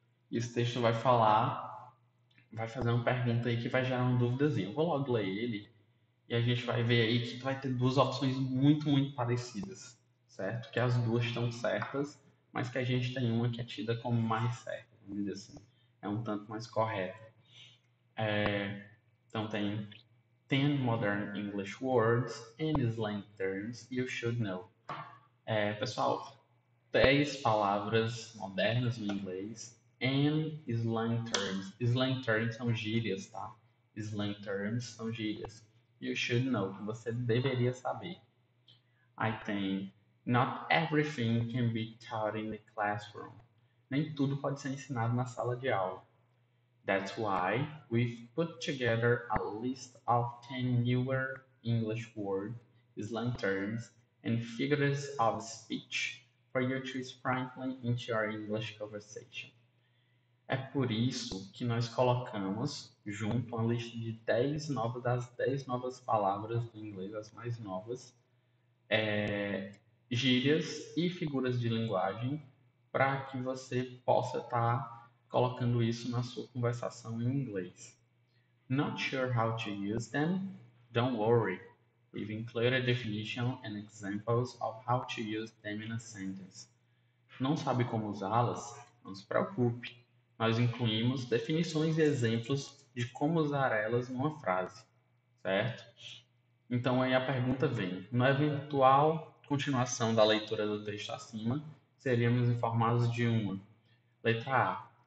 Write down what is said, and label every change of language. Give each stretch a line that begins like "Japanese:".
Portuguese: E esse texto vai falar, vai fazer uma pergunta aí que vai gerar uma duvidazinha. Eu vou logo ler ele e a gente vai ver aí que tu vai ter duas opções muito, muito parecidas, certo? Que as duas estão certas, mas que a gente tem uma que é tida como mais certa, vamos dizer assim. É um tanto mais correta. Então tem
English: 10 modern English words and slang terms you should know.
Portuguese: Pessoal, 10 palavras modernas em inglês
English: and slang terms.
Portuguese: Slang terms são gírias, tá? Slang terms são gírias.
English: You should know,
Portuguese: que você deveria saber. Aí tem
English: not everything can be taught in the classroom.
Portuguese: Nem tudo pode ser ensinado na sala de aula.
English: That's why we've put together a list of 10 newer English words, slang terms, and figures of speech for you to sprinkle into your English conversation.
Portuguese: É por isso que nós colocamos junto uma lista de 10 novas, das 10 novas palavras do inglês, as mais novas, gírias e figuras de linguagem, para que você possa estar colocando isso na sua conversação em inglês.
English: Not sure how to use them? Don't worry. We've included a definition and examples of how to use them in a sentence.
Portuguese: Não sabe como usá-las? Não se preocupe. Nós incluímos definições e exemplos de como usar elas numa frase, certo? Então aí a pergunta vem: na eventual continuação da leitura do texto acima, seríamos informados de uma. Letra A.